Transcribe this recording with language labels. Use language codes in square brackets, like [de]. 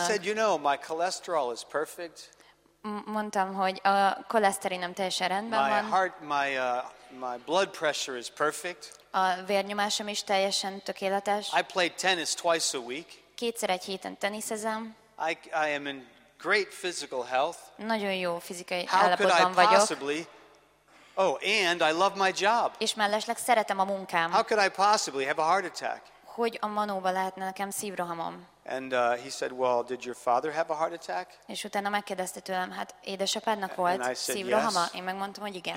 [en] I said, you know, my cholesterol is perfect. [hu] Mondtam, hogy a koleszterinem teljesen rendben van. [en] My blood pressure is perfect. [hu] A vérnyomásom is teljesen tökéletes. [en] I play tennis twice a week. [hu] Kétszer egy héten teniszezem. [en] I am in great physical health. [hu] Nagyon jó fizikai állapotban vagyok. [en] Oh, and I love my job. [hu] És mellesleg szeretem a munkám. [en] How could I possibly have a heart attack? [hu] Hogy a manóba lehetne nekem szívrohamom? [en] And he said, well, did your father have a heart attack? [hu] És utána megkérdezte tőlem, hát édesapádnak volt szívrohama? [en] Yes. [hu] Én megmondtam, hogy igen.